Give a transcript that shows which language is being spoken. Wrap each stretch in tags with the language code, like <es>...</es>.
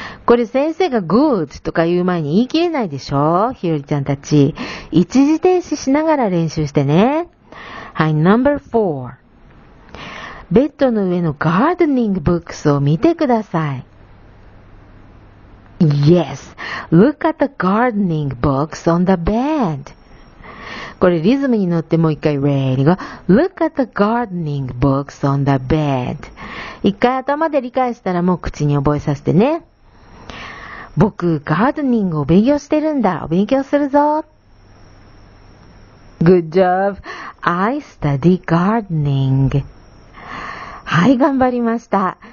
<ja>これ先生が good とか言う前に言い切れないでしょ？ひよりちゃんたち。一時停止しながら練習してね。</ja> <en>はい、number four.</en> <ja>ベッドの上のガーデニングブックスを見てください。</ja> <en>Yes. Look at the gardening books on the bed.</en> <ja>これリズムに乗ってもう一回</ja> <en>ready go. Look at the gardening books on the bed.</en> <ja>一回頭で理解したらもう口に覚えさせてね。僕、ガーデニングを勉強してるんだ。お勉強するぞ。</ja> <en>Good job. I study gardening.</en> <ja>はい、頑張りました。</ja>